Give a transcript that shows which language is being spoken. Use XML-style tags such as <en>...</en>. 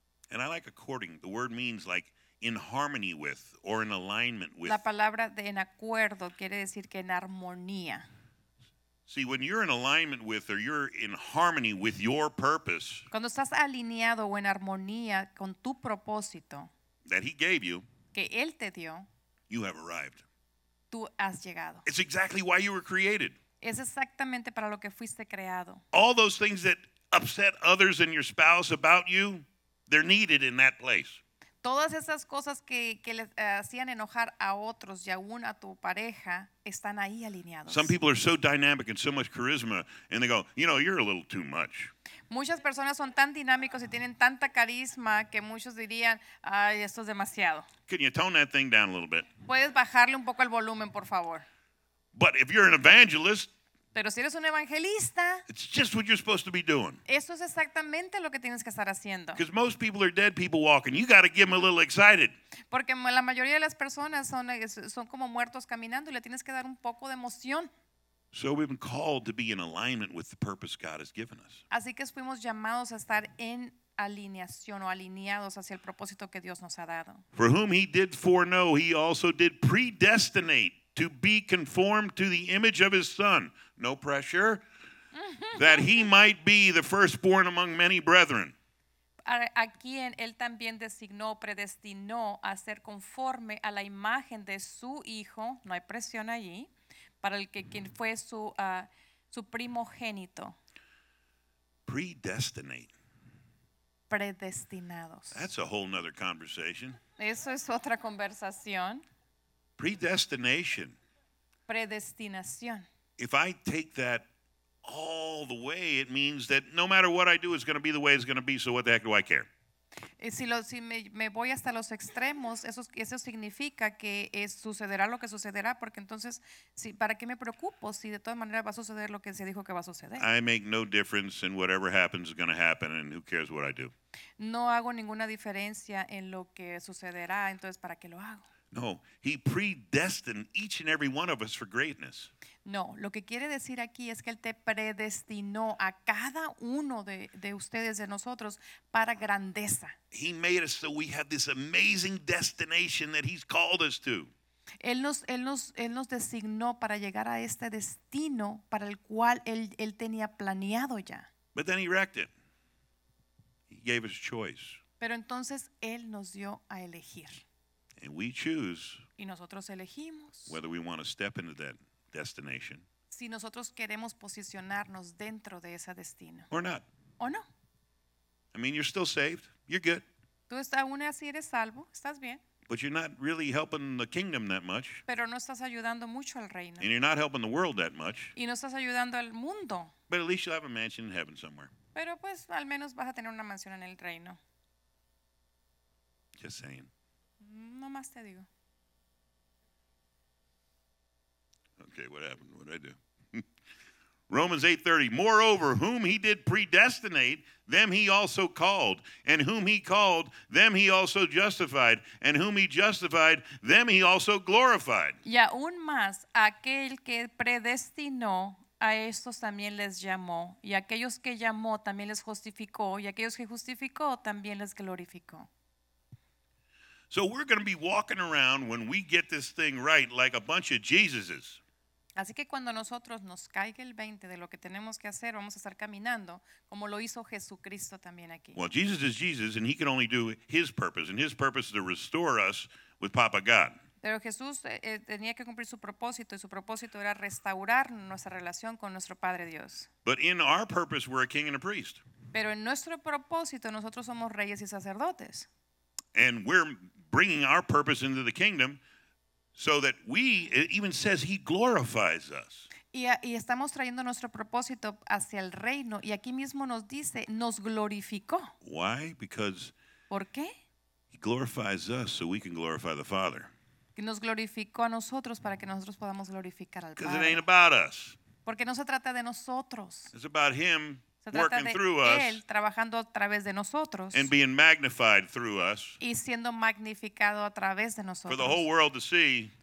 <en>And I like according. The word means like in harmony with or in alignment with.</en> <es>La palabra de en acuerdo quiere decir que en armonía.</es> <en>See, when you're in alignment with or you're in harmony with your purpose.</en> <es>Cuando estás alineado o en armonía con tu propósito.</es> <en>That he gave you.</en> <es>Que él te dio.</es> <en>You have arrived.</en> <es>Tú has llegado.</es> <en>It's exactly why you were created.</en> <es>Es exactamente para lo que fuiste creado.</es> <en>All those things that upset others and your spouse about you, they're needed in that place.</en> <es>Todas esas cosas que les hacían enojar a otros y aún a tu pareja están ahí alineados.</es> <en>Some people are so dynamic and so much charisma, and they go, you know, you're a little too much.</en> <es>Muchas personas son tan dinámicos y tienen tanta carisma que muchos dirían, ay, esto es demasiado.</es> <en>Can you tone that thing down a little bit?</en> <es>Puedes bajarle un poco el volumen, por favor.</es> <en>But if you're an evangelist,</en> <es>pero si eres un evangelista,</es> <en>it's just what you're supposed to be doing.</en> <es>Eso es exactamente lo que tienes que estar haciendo.</es> <en>Because most people are dead people walking. You got to get them a little excited.</en> <es>Porque la mayoría de las personas son como muertos caminando y le tienes que dar un poco de emoción.</es> <en>So we've been called to be in alignment with the purpose God has given us.</en> <es>Así que fuimos llamados a estar en alineación o alineados hacia el propósito que Dios nos ha dado.</es> <en>For whom he did foreknow, he also did predestinate to be conformed to the image of his son. No pressure. That he might be the firstborn among many brethren.</en> <es>A quien él también designó, predestinó a ser conforme a la imagen de su hijo. No hay presión allí. Para el que quien fue su primogénito.</es> <en>Predestinate.</en> <es>Predestinados.</es> <en>That's a whole nother conversation.</en> <es>Eso es otra conversación.</es> <en>Predestination.</en> <es>Predestinación.</es> <en>If I take that all the way, it means that no matter what I do, it's going to be the way it's going to be. So what the heck do I care?</en> <es>Si me voy hasta los extremos, eso significa que sucederá lo que sucederá, porque entonces, ¿para qué me preocupo si de todas maneras va a suceder lo que se dijo que va a suceder?</es> <en>I make no difference in whatever happens is going to happen, and who cares what I do.</en> <es>No hago ninguna diferencia en lo que sucederá, entonces, ¿para qué lo hago?</es> <en>No, he predestined each and every one of us for greatness.</en> <es>No, lo que quiere decir aquí es que él te predestinó a cada uno de ustedes, de nosotros, para grandeza.</es> <en>He made us so we have this amazing destination that he's called us to.</en> <es>Él nos designó para llegar a este destino para el cual él tenía planeado ya.</es> <en>But then he wrecked it. He gave us choice.</en> <es>Pero entonces él nos dio a elegir.</es> <en>And we choose.</en> <es>Y nosotros elegimos.</es> <en>Whether we want to step into that destination.</en> <es>Si nosotros queremos posicionarnos dentro de ese destino.</es> <en>Or not.</en> <es>O no.</es> <en>I mean, you're still saved. You're good.</en> <es>Tú aún así eres salvo. Estás bien.</es> <en>But you're not really helping the kingdom that much.</en> <es>Pero no estás ayudando mucho al reino.</es> <en>And you're not helping the world that much.</en> <es>Y no estás ayudando al mundo.</es> <en>But at least you'll have a mansion in heaven somewhere.</en> <es>Pero pues al menos vas a tener una mansión en el reino.</es> <en>Just saying.</en> <es>No más te digo.</es> <en>Okay, what happened? What did I do? Romans 8:30. Moreover, whom he did predestinate, them he also called. And whom he called, them he also justified. And whom he justified, them he also glorified.</en> <es>Y aún más, aquel que predestinó, a estos también les llamó. Y aquellos que llamó, también les justificó. Y aquellos que justificó, también les glorificó.</es> <en>So we're going to be walking around when we get this thing right like a bunch of Jesuses.</en> <es>Así que cuando nosotros nos caiga el 20 de lo que tenemos que hacer, vamos a estar caminando como lo hizo Jesucristo también aquí.</es> <en>Well, Jesus is Jesus, and he can only do his purpose, and his purpose is to restore us with Papa God.</en> <es>Pero Jesús tenía que cumplir su propósito, y su propósito era restaurar nuestra relación con nuestro Padre Dios.</es> <en>But in our purpose, we're a king and a priest.</en> <es>Pero en nuestro propósito, nosotros somos reyes y sacerdotes.</es> <en>And we're bringing our purpose into the kingdom. So that we, it even says he glorifies us.</en> <es>Y estamos trayendo nuestro propósito hacia el reino. Y aquí mismo nos dice, nos glorificó.</es> <en>Why? Because</en> <es>¿por qué?</es> <en>He glorifies us so we can glorify the Father.</en> <es>Nos glorificó a nosotros para que nosotros podamos glorificar al Padre.</es> <en>Because it ain't about us.</en> <es>Porque no se trata de nosotros.</es> <en>It's about him</en> <es>se trata</es> <en>working</en> <es>de</es> <en>through</en> <es>él</es> <en>us.</en> <es>Él trabajando a través de nosotros.</es> <en>And being magnified through us.</en> <es>Y siendo magnificado a través de nosotros.</es> <en>For the whole world to see.</en>